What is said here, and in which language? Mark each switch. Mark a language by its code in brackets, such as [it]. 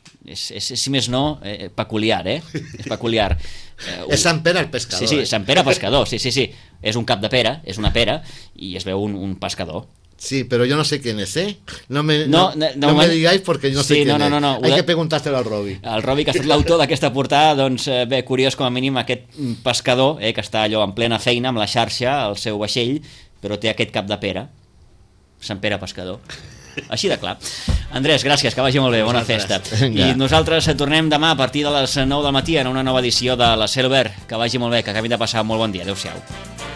[ca] És, si més no, peculiar, És peculiar. És Sant Pere el pescador. Sí, sí, Sant Pere pescador, sí. És un cap de pera, és una pera, i es veu un pescador. [es] Sí, pero yo no sé quién es, No me digáis porque yo no sé quién es. Hay que preguntárselo al Robi. [ca] Al Robi, que ha estat l'autor d'aquesta portada, doncs bé, curiós com a mínim aquest pescador, que està allò en plena feina amb la xarxa, el seu vaixell, però té aquest cap de pera. Sant Pere pescador. Així de clar. Andrés, gràcies, que vagi molt bé, bona festa. I nosaltres tornem demà a partir de les 9 del matí en una nova edició de La Cel Obert. Que vagi molt bé, que acabin de passar molt bon dia. Adéu-siau.